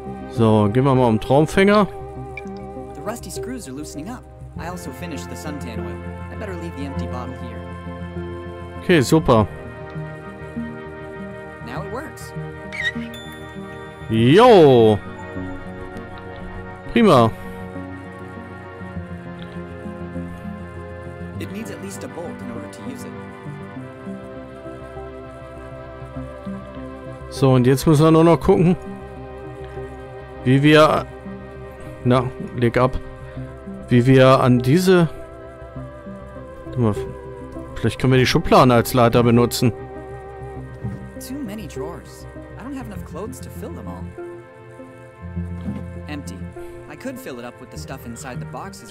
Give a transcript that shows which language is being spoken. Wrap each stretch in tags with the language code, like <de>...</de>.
<de>So, gehen wir mal um Traumfänger.</de> <en>The rusty screws are loosening up. I also finished the suntan oil. I better leave the empty bottle here.</en> <de>Okay, super.</de> <en>Now it works.</en> <de>Jo. Prima.</de> <en>It needs at least a bolt in order to use it.</en> <de>So, und jetzt müssen wir nur noch gucken, wie wir... Na, leg ab. Wie wir an diese... Warte mal, vielleicht können wir die Schubladen als Leiter benutzen.</de> <en>Too many drawers. I don't have enough clothes to fill them all. Empty. I could fill it up with the stuff inside the boxes.</en>